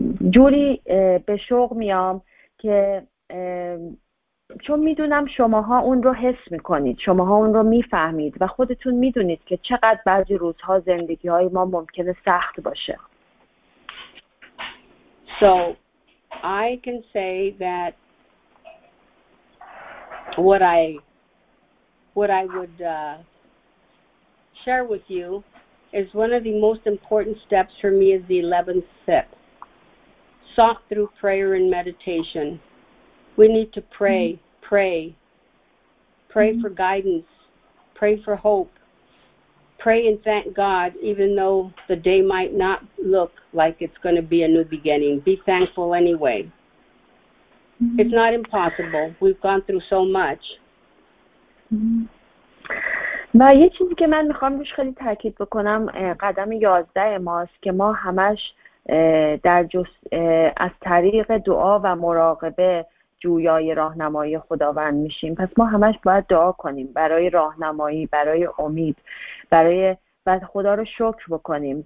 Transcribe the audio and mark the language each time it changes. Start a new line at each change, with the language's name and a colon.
Persian: جوری به شوق میام که چون میدونم شماها اون رو حس میکنید، شماها اون رو میفهمید و خودتون میدونید که چقدر بعضی روزها زندگی های ما ممکنه سخت باشه.
English: So I can say that what I would share with you is one of the most important steps for me is the 11th step. Sought through prayer and meditation. We need to pray for guidance, pray for hope, pray and thank God even though the day might not look like it's going to be a new beginning. Be thankful anyway. Mm-hmm. It's not impossible. We've gone through so much.
Persian: و یه چیزی که من میخوام روش خیلی تاکید بکنم قدم 11 ماست که ما همش در از طریق دعا و مراقبه جویای راهنمایی خداوند میشیم. پس ما همش باید دعا کنیم برای راهنمایی، برای امید، برای و خدا رو شکر بکنیم.